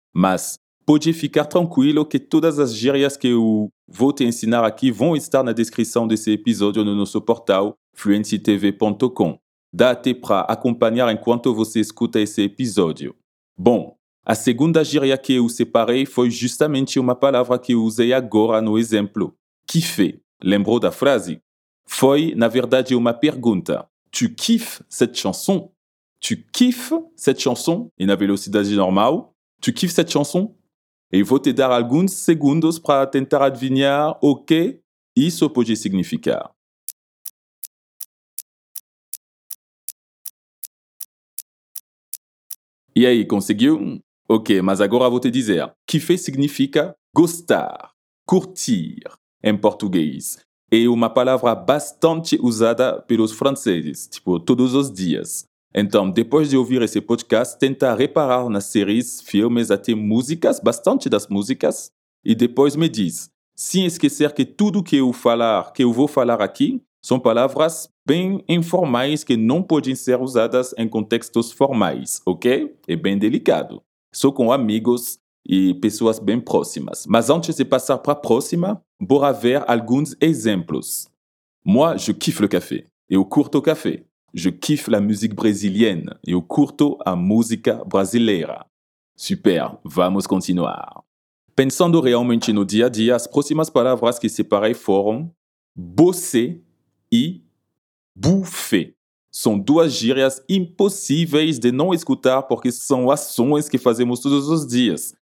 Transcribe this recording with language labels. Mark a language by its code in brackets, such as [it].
[pt] Mas pode ficar tranquilo que todas as gírias que eu vou te ensinar aqui vão estar na descrição desse episódio no nosso portal fluencytv.com. Dá até para acompanhar enquanto você escuta esse episódio. Bom, a segunda gíria que eu separei foi justamente uma palavra que eu usei agora no exemplo. Kiffer. Lembrou da frase? Foi, na verdade, uma pergunta. [fr] Tu kiffes cette chanson? Tu kiffes cette chanson? [pt] E na velocidade normal, [fr] tu kiffes cette chanson? [pt] E vou te dar alguns segundos para tentar adivinhar o que isso pode significar. E aí, conseguiu? Ok, mas agora vou te dizer. Kiffer significa gostar, curtir, em português. É uma palavra bastante usada pelos franceses, tipo, todos os dias. Então, depois de ouvir esse podcast, tenta reparar nas séries, filmes, até músicas, bastante das músicas, e depois me diz, sem esquecer que tudo que eu vou falar aqui são palavras bem informais que não podem ser usadas em contextos formais, ok? É bem delicado. Só com amigos e pessoas bem próximas. Mas antes de passar para a próxima, bora ver alguns exemplos. [fr] Moi, je kiffe le café. [pt] Eu curto o café. [fr] Je kiffe la musique brésilienne. [pt] Eu curto a música brasileira. Super, vamos continuar. Pensando realmente no dia a dia, as próximas palavras que separei foram bosser e bouffer. São duas gírias impossíveis de não escutar porque são ações que fazemos todos os dias.